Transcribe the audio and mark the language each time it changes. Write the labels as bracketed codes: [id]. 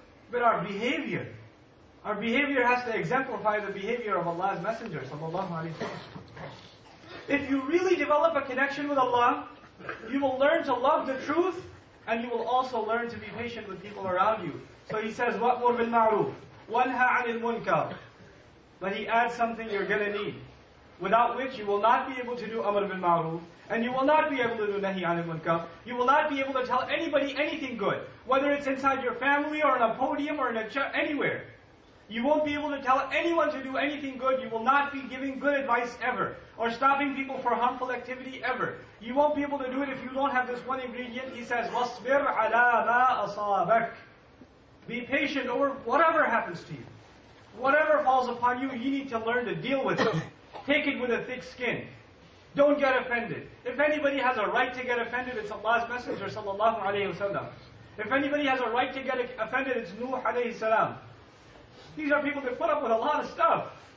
[en] But our behavior has to exemplify the behavior of Allah's Messenger, sallallahu alayhi wa sallam. If you really develop a connection with Allah, you will learn to love the truth, and you will also learn to be patient with people around you. So he says, [ar] وَأْمُرْ بِالْمَعْرُوفِ وَانْهَا عَنِ الْمُنْكَرِ. [en] But he adds something you're going to need, without which you will not be able to do Amr bin Ma'ruf, and you will not be able to do Nahi anil Munkar. You will not be able to tell anybody anything good, whether it's inside your family or on a podium or in a church, anywhere. You won't be able to tell anyone to do anything good. You will not be giving good advice ever, or stopping people for harmful activity ever. You won't be able to do it if you don't have this one ingredient. He says, [ar] وَاصْبِرْ عَلَى مَا أَصَابَكَ. [en] Be patient over whatever happens to you. Whatever falls upon you, you need to learn to deal with it. Take it with a thick skin. Don't get offended. If anybody has a right to get offended, it's Allah's Messenger sallallahu alayhi wa sallam. If anybody has a right to get offended, it's Nuh alayhi salam. These are people that put up with a lot of stuff.